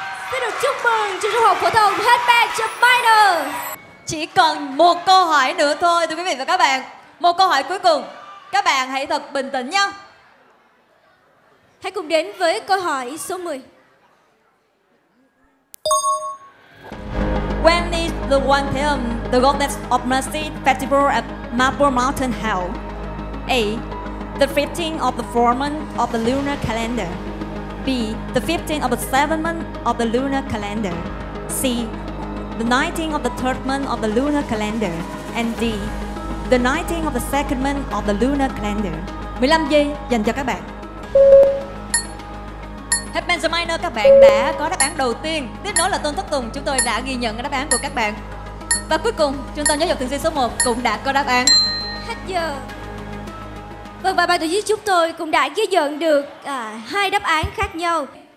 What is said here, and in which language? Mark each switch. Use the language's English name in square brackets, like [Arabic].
[Vietnamese] Xin được chúc mừng trường trung học phổ thông Happy Reminder. Chỉ còn một câu hỏi nữa thôi thưa quý vị và các bạn. Một câu hỏi cuối cùng. Các bạn hãy thật bình tĩnh nha. Hãy cùng đến với câu hỏi số 10. [English] When is the one time the Goddess of Mercy Festival at Marble Mountain held? A. The 15th of the 4th month of the lunar calendar. B. The 15th of the 7th month of the lunar calendar. C. The 19th of the 3rd month of the lunar calendar. And D. The 19th of the 2nd month of the lunar calendar. [Vietnamese] 15 giây dành cho các bạn. Happy Miner, các bạn đã có đáp án đầu tiên. Tiếp nối là Tôn Thất Tùng, chúng tôi đã ghi nhận đáp án của các bạn. Và cuối cùng, Trung tâm Giáo dục Thường xuyên số 1 cũng đã có đáp án. Hết giờ. Vâng, và ban tổ chức chúng tôi cũng đã ghi nhận được hai đáp án khác nhau.